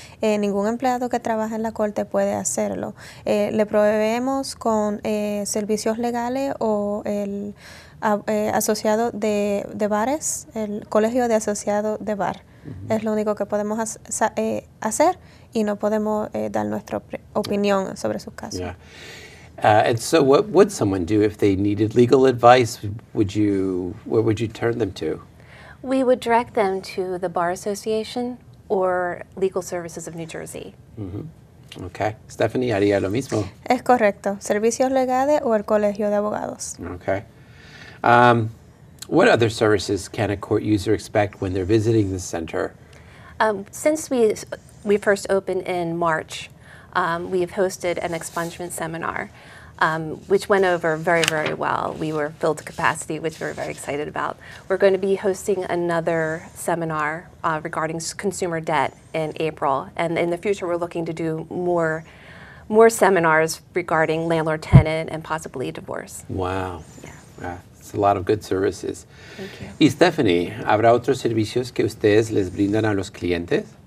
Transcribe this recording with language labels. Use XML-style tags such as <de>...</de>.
<es>Ningún empleado que trabaja en la corte puede hacerlo. Le proveemos con servicios legales o el asociado de bares, el colegio de asociado de bar. Uh-huh. Es lo único que podemos hacer y no podemos dar nuestra opinión sobre sus casos.</es> <en>Yeah. And so what would someone do if they needed legal advice? Where would you turn them to? We would direct them to the Bar Association or Legal Services of New Jersey. Mm-hmm. Okay.</en> <es>Stephanie, haría lo mismo. Es correcto. Servicios legales o el Colegio de Abogados.</es> <en>Okay. What other services can a court user expect when they're visiting the center? Since we first opened in March, we have hosted an expungement seminar, which went over very, very well. We were filled to capacity, which we're very excited about. We're going to be hosting another seminar regarding consumer debt in April. And in the future, we're looking to do more seminars regarding landlord-tenant and possibly divorce. Wow. Yeah. It's a lot of good services. Thank you.</en> <es>Y Stephanie, ¿habrá otros servicios que ustedes les brindan a los clientes?</es>